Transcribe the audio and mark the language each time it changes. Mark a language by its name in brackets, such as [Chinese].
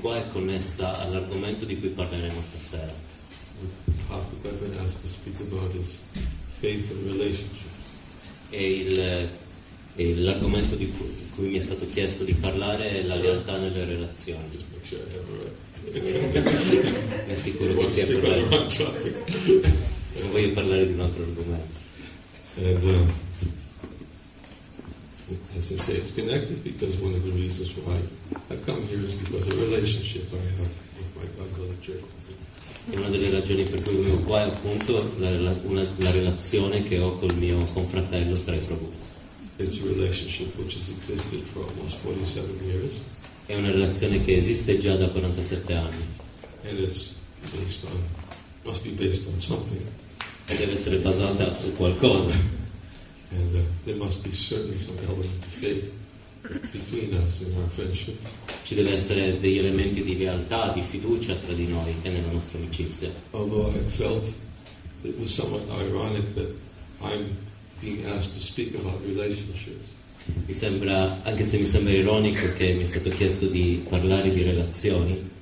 [Italian] Connessa all'argomento di cui parleremo stasera. [English] The topic I've been asked to speak about is faith and relationship. [Italian] E l'argomento di cui mi è stato chiesto di parlare è la lealtà nelle relazioni. [English] Just make sure I have it right. [Italian] È sicuro che sia corretto. Non voglio parlare di un altro argomento. [English] And as I say, it's connected because one of the reasons why I come here is because of the relationship I have with my godmother Jacob. [Italian] E una delle ragioni per cui vengo qua è appunto la relazione che ho col mio confratello tra i Prabhupada. [English] It's a relationship which has existed for almost 47 years. [Italian] È una relazione che esiste già da 47 anni. [English] And it's based on, must be based on something. [Italian] E deve essere basata su qualcosa. [English] And there must be certainly some element of faith between us in our friendship. [Italian] Ci deve essere degli elementi di realtà, di fiducia tra di noi e nella nostra amicizia. [English] Although I felt it was somewhat ironic that I'm being asked to speak about relationships. [Italian] Mi sembra, anche se mi sembra ironico che mi è stato chiesto di parlare di relazioni.